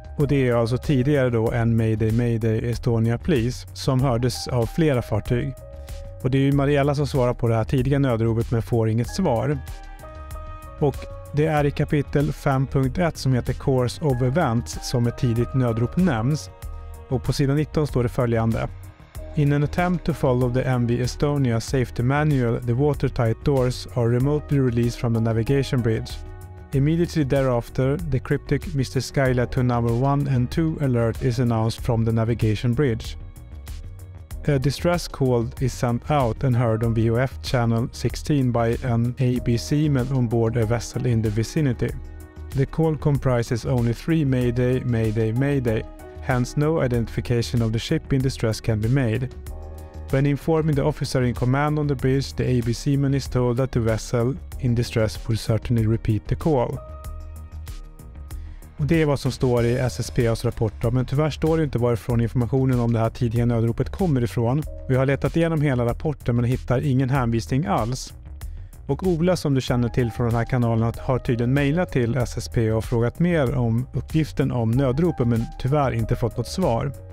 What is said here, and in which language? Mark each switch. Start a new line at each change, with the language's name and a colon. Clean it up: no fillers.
Swedish: Och det är alltså tidigare då än
English: Mayday, Mayday, Estonia, please,
Swedish: som hördes av flera fartyg. Och det är ju Mariella som svarar på det här tidiga nödropet men får inget svar. Och det är i kapitel 5.1 som heter Course of Events som ett tidigt nödrop nämns. Och på sidan 19 står det följande.
English: In an attempt to follow the MV Estonia safety manual, the watertight doors are remotely released from the navigation bridge. Immediately thereafter, the cryptic Mr. Skyla to number 1 and 2 alert is announced from the navigation bridge. A distress call is sent out and heard on VOF channel 16 by an ABC man on board a vessel in the vicinity. The call comprises only 3 Mayday, Mayday, Mayday. Hence, no identification of the ship in distress can be made. When informing the officer in command on the bridge, the ABC man is told that the vessel in distress will certainly repeat the call.
Swedish: Och det är vad som står i SSPA:s rapport, men tyvärr står det inte varifrån informationen om det här tidiga nödropet kommer ifrån. Vi har letat igenom hela rapporten men hittar ingen hänvisning alls. Och Ola, som du känner till från den här kanalen, har tydligen mejlat till SSP och frågat mer om uppgiften om nödropen men tyvärr inte fått något svar.